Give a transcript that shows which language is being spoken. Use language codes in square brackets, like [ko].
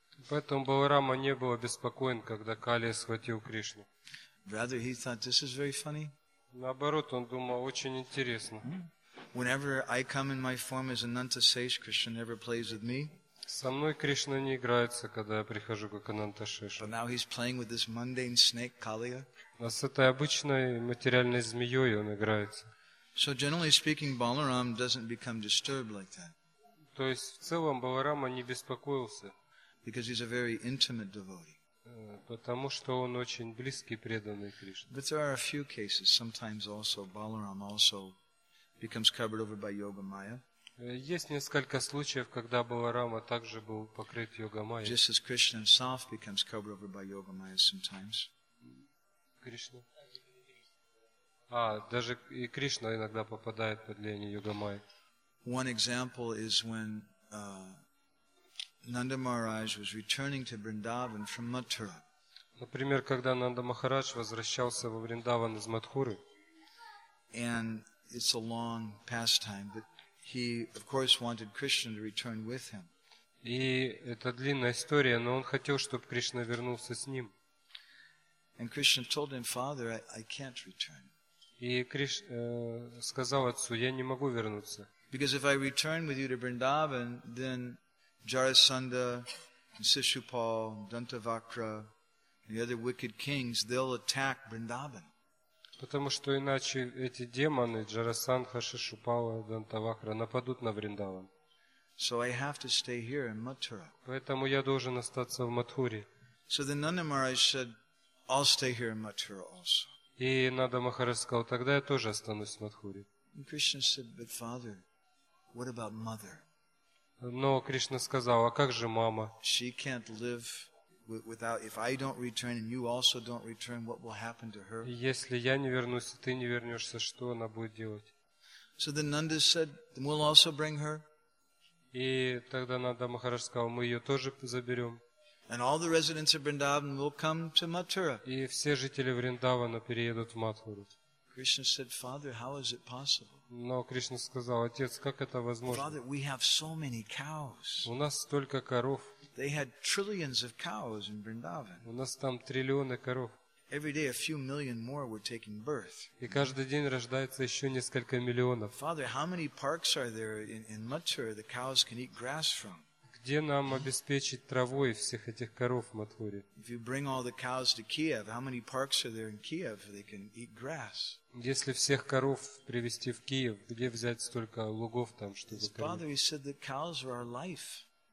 [ru] Поэтому Баларама не был обеспокоен, когда Калия схватил Кришну. [en] Rather, he thought this is very funny. [ru] Наоборот, он думал, очень интересно. [en] Whenever I come in my form as Ananta Sesh, Krishna never plays with me. [ru] Со мной Кришна не играется, когда я прихожу как Ананта Шеша. [en] Now he's playing with this mundane snake Kaliya. [ru] А с этой обычной материальной змеей он играется. [en] So generally speaking, Balaram doesn't become disturbed like that. [ru] То есть в целом Баларама не беспокоился. [en] Because he's a very intimate devotee. [ru] Потому что он очень близкий преданный Кришне. [en] But there are a few cases. Sometimes also Balaram also becomes covered over by Yoga Maya. [ru] Есть несколько случаев, когда Баларама также был покрыт йога-майей. [en] Just as Krishna himself becomes covered over by yoga-maya sometimes. [ru] Кришна. Даже и Кришна иногда попадает под влияние йога-майи. [en] One example is when Nanda Maharaj was returning to Vrindavan from Mathura. [ru] Например, когда Нанда Махарадж возвращался во Вриндаван из Матхуры. [en] And it's a long pastime, but he of course wanted Krishna to return with him. [ru] И это длинная история, но он хотел, чтобы Кришна вернулся с ним. [en] And Krishna told him, "Father, I can't return." [ru] И Кришна сказал отцу: "Я не могу вернуться." [en] Because if I return with you to Vrindavan, then Jarasandha, Sishupal, Dantavakra, and the other wicked kings, they'll attack Vrindavan. [ru] Потому что иначе эти демоны, Джарасандха, Шишупала, Дантавакра, нападут на Вриндаван. [en] So I have to stay here in Mathura. [ru] Поэтому я должен остаться в Матхуре. [en] So then Nanda Maharaj said, I'll stay here in Mathura also. [ru] И Нанда Махарадж сказал, тогда я тоже останусь в Матхуре. [en] And Krishna said, but father, what about mother? [ru] Но Кришна сказал, а как же мама? [en] She can't live without, if I don't return and you also don't return, what will happen to her? [ru] Если я не вернусь, и ты не вернешься, что она будет делать? [en] So then Nanda said, then we'll also bring her. [ru] И тогда Нанда Махарадж сказал, мы ее тоже заберем. [en] And all the residents of Vrindavan will come to Mathura. [ru] И все жители Вриндавана переедут в Матхуру. [en] Krishna said, Father, how is it possible? [ru] Но Кришна сказал, отец, как это возможно? [en] Father, we have so many cows. [ru] У нас столько коров. [en] They had trillions of cows in Vrindavan. [ru] У нас там триллионы коров. [en] Every day a few million more were taking birth. [ru] И каждый день рождается еще несколько миллионов. [en] Father, how many parks are there in Mathura the cows can eat grass from? [ru] Где нам обеспечить травой всех этих коров в Матхуре? [en] If you bring all the cows to Kiev, how many parks are there in Kiev they can eat grass? [ru] Если всех коров привезти в Киев, где взять столько лугов там, чтобы кормить? [en] Father, he said the cows are our life.